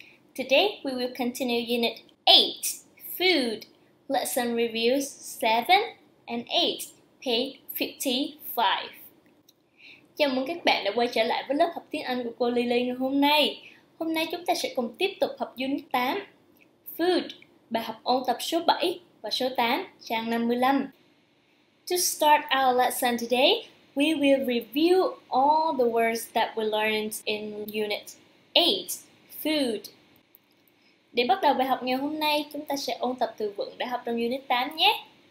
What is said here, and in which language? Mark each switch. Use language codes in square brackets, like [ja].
[en] Today we will continue Unit 8, Food, Lesson Reviews 7 and 8, page 55. [vi] Chào mừng các bạn đã quay trở lại với lớp học tiếng Anh của cô Lily ngày hôm nay. Hôm nay chúng ta sẽ cùng tiếp tục học Unit 8, Food, bài học ôn tập số 7 và số 8, trang 55. [en] To start our lesson today, we will review all the words that we learned in Unit 8, Food. [vi] Để bắt đầu bài học ngày hôm nay, chúng ta sẽ ôn tập từ vựng đã học trong Unit 8 nhé.